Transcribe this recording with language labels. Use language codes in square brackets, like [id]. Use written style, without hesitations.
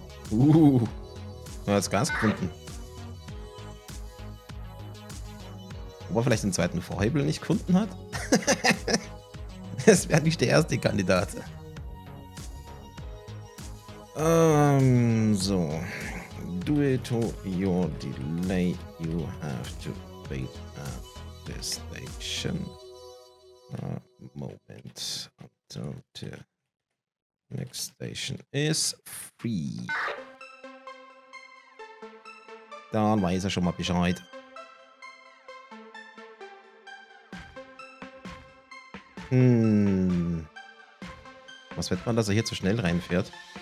[de] Du hast Gas gefunden. Ob er vielleicht den zweiten Vorhebel nicht gefunden hat? Das wäre nicht der erste Kandidat. So. [en] Due to your delay, you have to wait at the station. A moment until the next station is free. [de] Dann weiß er schon mal Bescheid. Was wird man, dass er hier zu schnell reinfährt?